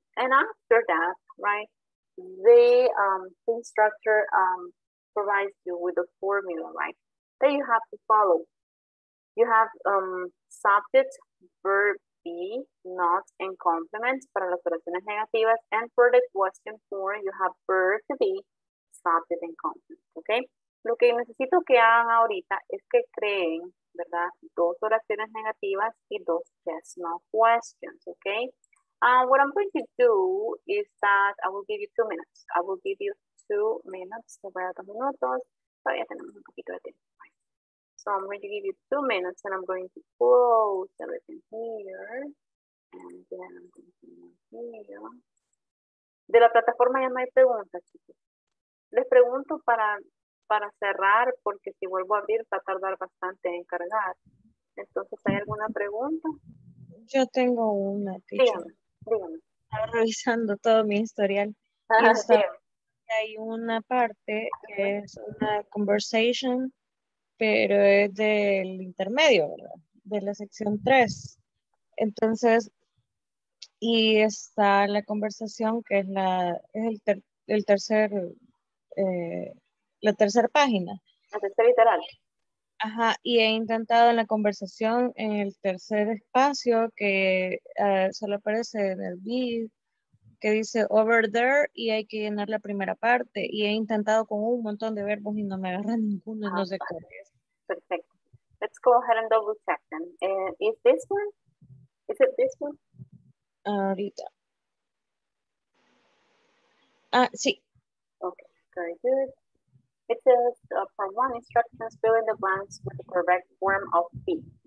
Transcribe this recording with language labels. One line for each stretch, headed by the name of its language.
English: And after that, right, the instructor provides you with a formula, right, that you have to follow. You have subject, verb, be, not, and complement
Spanish: para las oraciones negativas.
English: And for the question four, you have verb to be, subject, and complement, okay?
Spanish: Lo que necesito que hagan ahorita es que creen, ¿verdad? Dos oraciones negativas y dos
English: yes, no questions,
Spanish: okay?
English: What I'm going to do is that I will give you 2 minutes. I will give you 2 minutes.
Spanish: Me voy a 2 minutos. Todavía tenemos un poquito de tiempo.
English: So I'm going to give you 2 minutes and I'm going to close everything here. And then I'm going to here.
Spanish: De la plataforma ya no hay preguntas, chicos. Les pregunto para cerrar, porque si vuelvo a abrir va a tardar bastante en cargar. Entonces, ¿hay alguna pregunta? Yo tengo una. Teacher. Dígame. Estaba revisando todo mi historial. Ajá, y hay una parte que es una conversation, pero es del intermedio, ¿verdad? De la sección 3. Entonces, y está la conversación que es la es el tercer la tercera página. La tercera literal. Ajá, y he intentado en la conversación en el tercer espacio que solo aparece en el B, que dice
English: over there
Spanish: y hay que llenar la primera parte. Y he intentado con un montón de verbos y no me agarra ninguno, no sé cuál es.
English: Perfecto. Let's go ahead and double check them. Is this one? Is it this one?
Spanish: Ahorita. Sí.
English: Okay, very good. It says, from one instructions, fill in the blanks with the correct form of be.